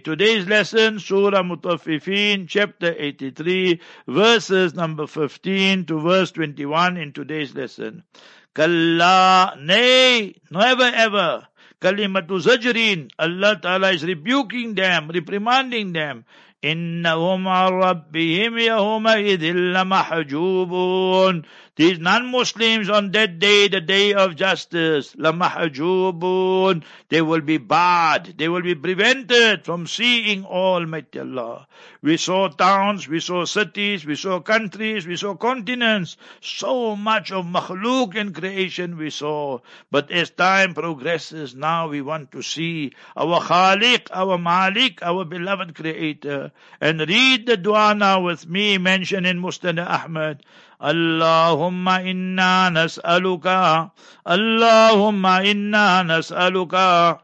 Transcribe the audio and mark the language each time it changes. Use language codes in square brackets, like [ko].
[en] Today's lesson, Surah Mutaffifin, chapter 83, verses number 15 to verse 21 in today's lesson. Kalla, nay, never ever. Kalimatu Zajrin, Allah Ta'ala is rebuking them, reprimanding them. [ar] إنهم عن ربهم يومئذ لمحجوبون. [en] These non-Muslims on that day, the day of justice, لمحجوبون, they will be barred, they will be prevented from seeing Almighty Allah. We saw towns, we saw cities, we saw countries, we saw continents, so much of makhluk and creation we saw. But as time progresses, now we want to see our Khaliq, our Malik, our beloved Creator. And read the dua now with me, mentioned in Mustana Ahmad. [ar] اللهم إنا نسألك اللهم إنا نسألك.